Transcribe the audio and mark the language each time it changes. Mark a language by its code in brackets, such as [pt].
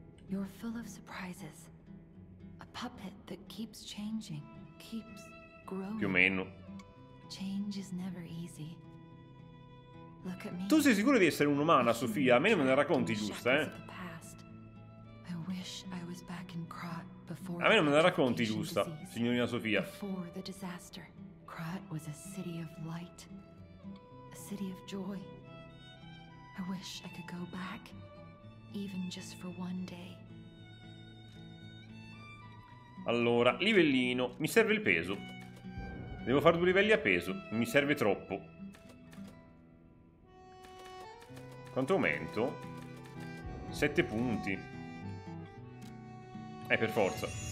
[en] You're full of surprises. A puppet that keeps changing, keeps growing. [it] Più o meno. [en] Change is never easy. Look at me. [it] Tu sei sicuro di essere un'umana, Sofia? A me non me ne racconti, giusta, eh? [en] I wish I was back in Krat before. [it] A me non me ne racconti, giusta, signorina Sofia. [en] Before the disaster, Krat was a city of light, a city of joy. I wish I could go back, even just for one day. [it] Allora, livellino, mi serve il peso. Devo fare due livelli a peso, mi serve troppo. Quanto aumento? 7 punti. Per forza.